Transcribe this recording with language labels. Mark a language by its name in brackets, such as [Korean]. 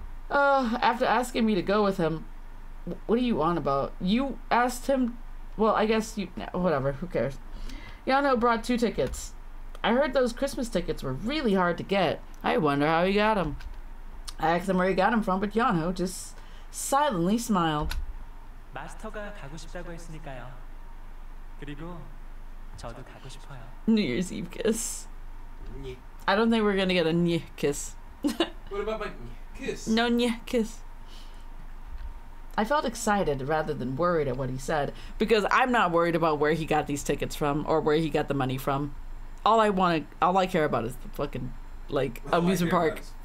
[English] After asking me to go with him, what are you on about? You asked him. Well, I guess you. Whatever. Who cares? Yeonho brought two tickets. I heard those Christmas tickets were really hard to get. I wonder how he got them. I asked him where he got them from, but Yeonho just silently smiled. [Korean] 마스터가 가고 싶다고 했으니까요. 그리고 저도 가고 싶어요. [English] New Year's Eve kiss. I don't think we're gonna get a nye kiss. What about my nye kiss? No nye kiss. I felt excited rather than worried at what he said, because I'm not worried about where he got these tickets from or where he got the money from. All I care about is the fucking, like, amusement park.